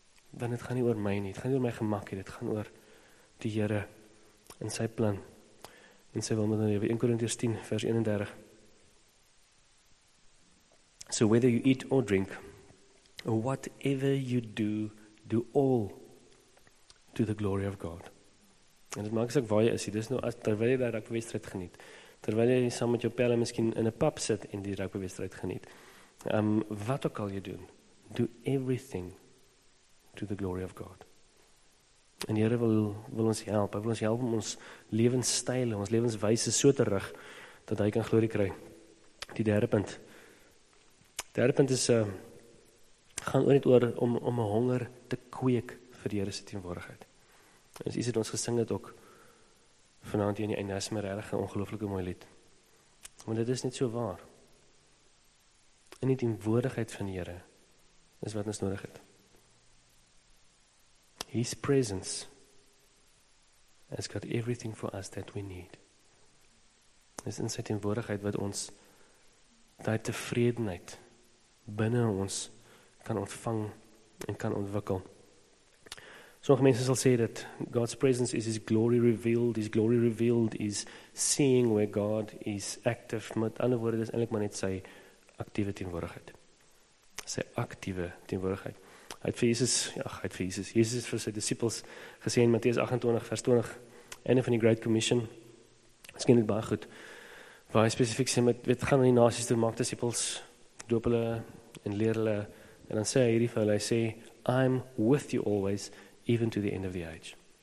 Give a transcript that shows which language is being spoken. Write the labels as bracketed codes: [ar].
[af] Dan het gaan nie oor my nie, het gaan nie oor my gemak, het gaan oor die Here en sy plan. En sê wel met een lewe, 1 Korintiërs 10 vers 31. [en] So whether you eat or drink, or whatever you do, do all to the glory of God. [af] En dit maak ek waar jy is, dit is nou as, terwyl jy daar rugbywedstryd geniet, terwyl jy saam met jou pelle miskien in 'n pub sit en die rugbywedstryd geniet, wat ook al jy doen, [en] do everything to the glory of God. [af] En die Here wil ons help. Hy wil ons help om ons lewenstyl, ons lewenswyse so te rig dat hy kan glorie kry. Die derde punt. Derde punt is gaan oor net oor om 'n honger te kweek vir die Here se teenwoordigheid. Ons iets het ons gesing het ook vanaand hier in die Enesme regtig 'n ongelooflike mooi lied. Want dit is net so waar. In die teenwoordigheid van die Here is wat ons nodig het. [en] His presence has got everything for us that we need. [af] Dis in sy teenwoordigheid wat ons daai tevredenheid binne ons kan ontvang en kan ontwikkel. Sommige mense sal sê dat [en] God's presence is his glory revealed. His glory revealed is seeing where God is active. [af] Met ander woorde, dis eintlik maar net sy aktiewe teenwoordigheid. Sy aktiewe teenwoordigheid. Jesus het vir sy disippels gesê in Matteus 28 vers 20, einde van die Great Commission, dit ging net baie goed, waar hy spesifiek sê, weet, gaan in die nasies toe, maak disippels, doop hulle en leer hulle, en dan sê hy hierdie vir hulle, hy sê, [en] I'm with you always, even to the end of the age.